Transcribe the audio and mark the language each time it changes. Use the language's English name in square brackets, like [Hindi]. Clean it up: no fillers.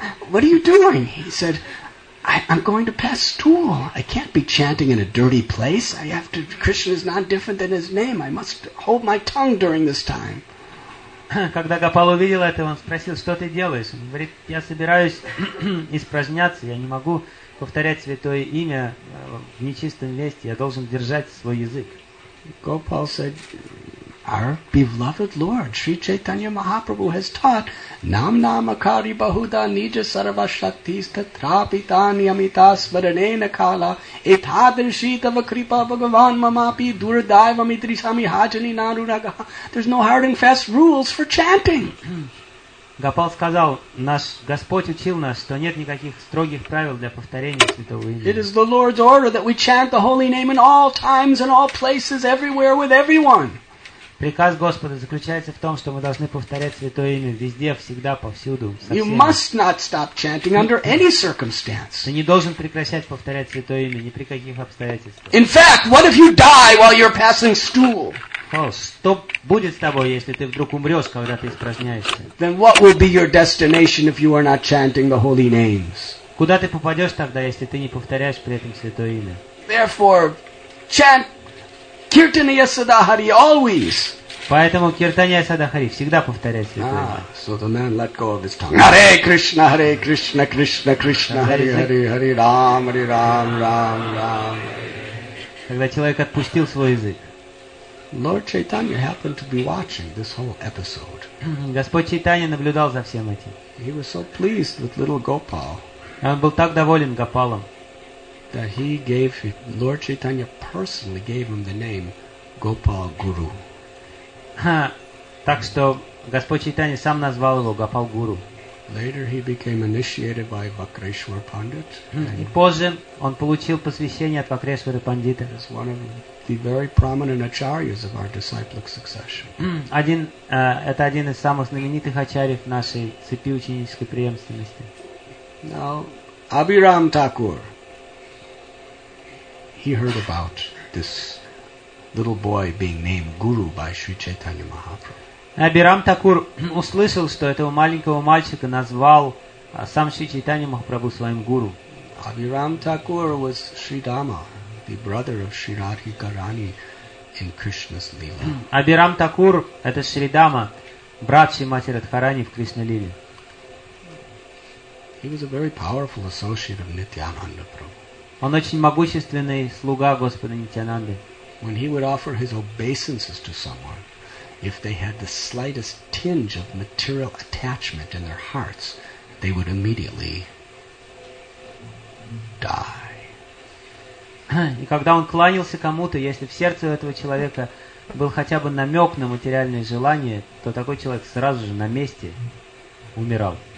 [English] What are you doing? He said, I'm going to pass stool. I can't be chanting in a dirty place. I have to. Krishna is not different than his name. I must hold my tongue during this time. [Russian] Когда Гопал увидел это, он спросил, что ты делаешь? Он говорит, я собираюсь испражняться. Я не могу повторять святое имя в нечистом месте. Я должен держать свой язык. [English] Gopal said, our beloved Lord, Sri Chaitanya Mahaprabhu has taught, [Sanskrit] Nam Namakari Bahuda Nija Saravashaktista Trapitani Amitas Varanena Kala Ethadrishita Vakripa Bhagavan Mamapi Duradaiva Mitrisami Hajani Narunaga. [English] There's no hard and fast rules for chanting. [Russian] Гопал сказал, наш Господь учил нас, что нет никаких строгих правил для повторения святого имени. [English] It is the Lord's order that we chant the holy name in all times and all places, everywhere, with everyone. [Russian] Приказ Господа заключается в том, что мы должны повторять святое имя везде, всегда, повсюду. [English] You must not stop chanting under any circumstance. [Russian] Ты не должен прекращать повторять святое имя ни при каких обстоятельствах. [English] In fact, what if you die while you're passing stool? [Russian] Что будет с тобой, если ты вдруг умрешь, когда ты испражняешься? [English] Then what will be your destination if you are not chanting the holy names? [Russian] Куда ты попадешь тогда, если ты не повторяешь при этом святое имя? [English] Therefore, chant Kirtaniya Sadahari always. [Russian] Поэтому Киртания Садахари всегда повторяет святое имя. [English] So the man let go of his tongue. [Sanskrit] Hare Krishna, Hare Krishna, Krishna Krishna, Hare Hare, Hare Ram, Hare Ram, Ram Ram. [Russian] Когда человек отпустил свой язык. [English] Lord Chaitanya happened to be watching this whole episode. [Russian] Господь Чайтанья наблюдал за всем этим. [English] He was so pleased with little Gopal. [Russian] Он был так доволен Гопалом. [English] That he gave Lord Chaitanya personally gave him the name Gopal Guru. [Russian] Так что Господь Чайтанья сам назвал его Гопал Гуру. [English] Later he became initiated by Vakreshwar Pandit. [Russian] И позже он получил посвящение от Вакрешвары Пандита. [English] As one of the very prominent acharyas of our disciplic succession. [Russian] Это один из самых знаменитых ачарьев нашей цепи ученической преемственности. [English] Now, Abhiram Thakur, he heard about this little boy being named Guru by Sri Chaitanya Mahaprabhu. [Russian] Абирам Такур услышал, что этого маленького мальчика назвал сам Шри Чайтанья Махапрабху своим гуру. [English] Абирам Такур was Шри Дама, the brother of Шри Радхика Рани in Krishna's Lila. [Russian] Абирам Такур — это Шри Дама, брат Шри Матери Радхарани в Кришна Лиле. [English] He was a very powerful associate of Nityananda Prabhu. [Russian] Он очень могущественный слуга Господа Нитянанды. [English] When he would offer his obeisances to someone, if they had the slightest tinge of material attachment in their hearts, they would immediately die. [Russian] И когда он кланялся кому-то, если в сердце у этого человека был хотя бы намек на материальное желание, то такой человек сразу же на месте умирал.